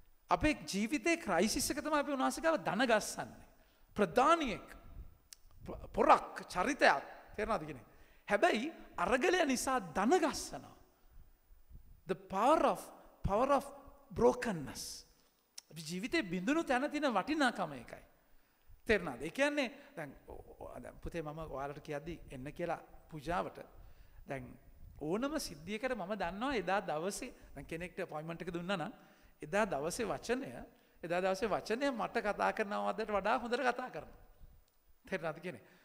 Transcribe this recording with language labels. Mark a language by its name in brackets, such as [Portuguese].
[Sinhala] අපේ ජීවිතේ ක්‍රයිසිස් එක තමයි අපි උනාසේ ගාව දනගස්සන්නේ ප්‍රධානියෙක් පොරක් චරිතයක්. තේරෙනවද කියන්නේ? හැබැයි අරගලය නිසා දනගස්සනවා. [English] The power of brokenness. [Sinhala] අපි ජීවිතේ බිඳුණු තැන තියෙන වටිනාකම එකයි. තේරෙනවද? ඒ කියන්නේ දැන් පුතේ මම ඔයාලට කියද්දි එන්න කියලා පූජාවට දැන් ඕනම සිද්ධියකට මම දන්නවා එදා දවසේ දැන් කෙනෙක්ට අපොයින්ට්මන්ට් එක දුන්නා නම් එදා දවසේ වචනය මට කතා කරනවට වඩා හොඳට කතා කරනවා. තේරෙනවද කියන්නේ?